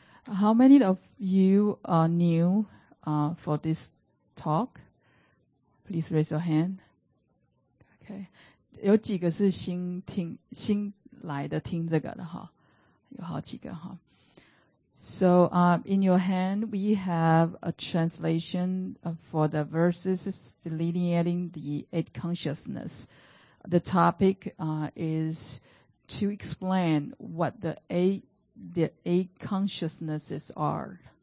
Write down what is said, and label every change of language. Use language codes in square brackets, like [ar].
[en] How many of you are new for this talk? Please raise your hand. Okay. [zh] 有几个是新听新来的听这个的哈，有好几个哈。 [en] So, in your hand, we have a translation for the verses delineating the eight consciousness. The topic is to explain what the eight consciousnesses are.